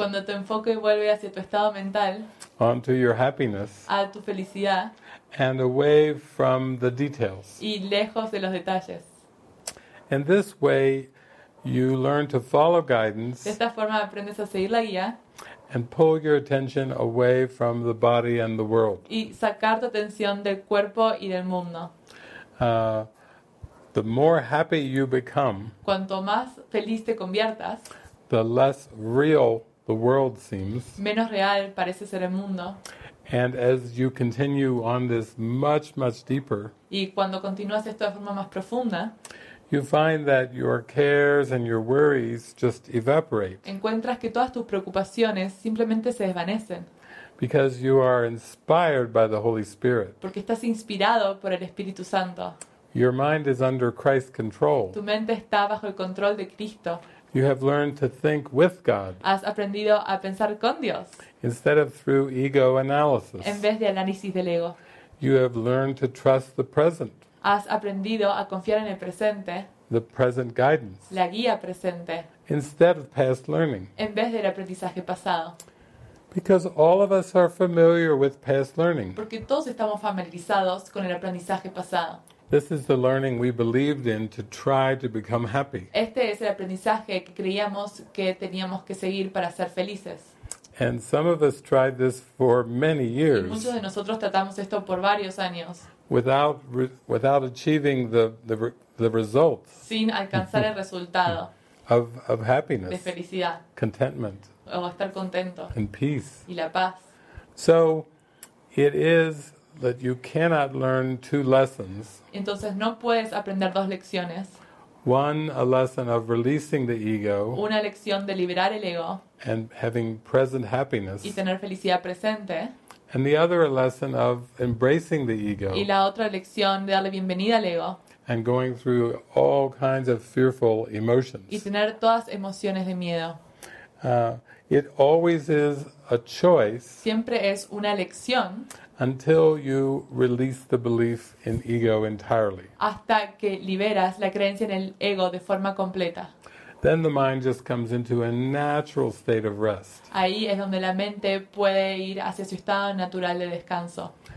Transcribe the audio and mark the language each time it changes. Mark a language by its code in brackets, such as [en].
[es] cuando tu enfoque vuelve hacia tu estado mental, [en] onto your happiness, [es] a tu felicidad, [en] and away from the details, [es] y lejos de los detalles. [en] In this way, you learn to follow guidance. [es] De esta forma aprendes a seguir la guía, [en] and pull your attention away from the body and the world. [es] Y sacar tu atención del cuerpo y del mundo. [en] The more happy you become, [es] cuanto más feliz te conviertas, [en] the less real the world seems, [es] menos real parece ser el mundo. [en] And as you continue on this much, much deeper, [es] y cuando continúas esto de forma más profunda, [en] you find that your cares and your worries just evaporate. [es] Encuentras que todas tus preocupaciones simplemente se desvanecen. [en] Because you are inspired by the Holy Spirit. [es] Porque estás inspirado por el Espíritu Santo. [en] Your mind is under Christ's control. [es] Tu mente está bajo el control de Cristo. [en] You have learned to think with God. [es] Has aprendido a pensar con Dios. [en] Instead of through ego analysis. [es] En vez de análisis del ego. [en] You have learned to trust the present. [es] Has aprendido a confiar en el presente. [en] The present guidance. [es] La guía presente. [en] Instead of past learning. [es] En vez del aprendizaje pasado. [en] Because all of us are familiar with past learning. [es] Porque todos estamos familiarizados con el aprendizaje pasado. [en] This is the learning we believed in to try to become happy. [es] Este es el aprendizaje que creíamos que teníamos que seguir para ser felices. [en] And some of us tried this for many years. [es] Y muchos de nosotros tratamos esto por varios años. [en] Without achieving the results. [es] Sin alcanzar el resultado. [en] Of happiness. [es] De felicidad. [en] Contentment. [es] O estar contento. [en] And peace. [es] Y la paz. [en] So it is that you cannot learn two lessons. [es] Entonces no puedes aprender dos lecciones. [en] One, a lesson of releasing the ego. [es] Una lección de liberar el ego. [en] And having present happiness. [es] Y tener felicidad presente. [en] And the other, a lesson of embracing the ego. [es] Y la otra lección de darle bienvenida al ego. [en] And going through all kinds of fearful emotions. [es] Y tener todas emociones de miedo. [en] It always is a choice. [es] Siempre es una lección. [en] Until you release the belief in ego entirely. [es] Hasta que liberas la creencia en el ego de forma completa. [en] Then the mind just comes into a natural state of rest. [es] Ahí es donde la mente puede ir hacia su estado natural de descanso.